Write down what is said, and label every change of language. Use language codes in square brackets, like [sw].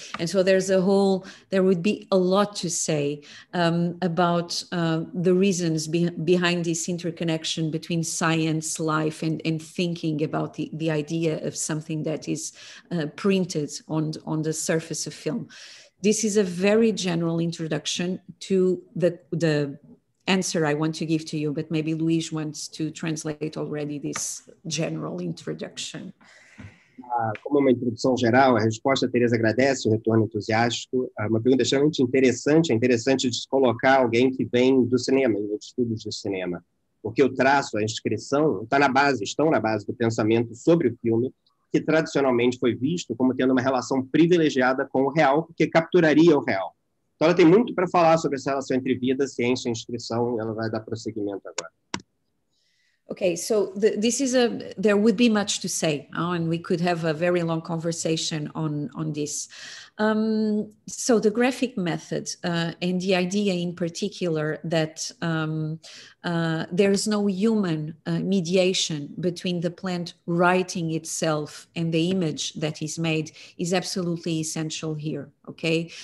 [en] And so there would be a lot to say about the reasons behind this interconnection between science, life, and thinking about the idea of something that is printed on the surface of film. This is a very general introduction to the answer I want to give to you, but maybe Luis wants to translate already this general introduction. [pt] Como uma introdução geral, a resposta, Teresa, agradece o retorno entusiástico. Uma pergunta extremamente interessante. É interessante descolocar alguém que vem do cinema, dos estudos de cinema, porque o traço, a inscrição, estão na base do pensamento sobre o filme, que tradicionalmente foi visto como tendo uma relação privilegiada com o real, porque capturaria o real. Então, ela tem muito para falar sobre essa relação entre vida, ciência e inscrição, e ela vai dar prosseguimento agora. [en] Okay, so this is there would be much to say, and we could have a very long conversation on this. So the graphic method and the idea in particular that there is no human mediation between the plant writing itself and the image that is made is absolutely essential here, okay?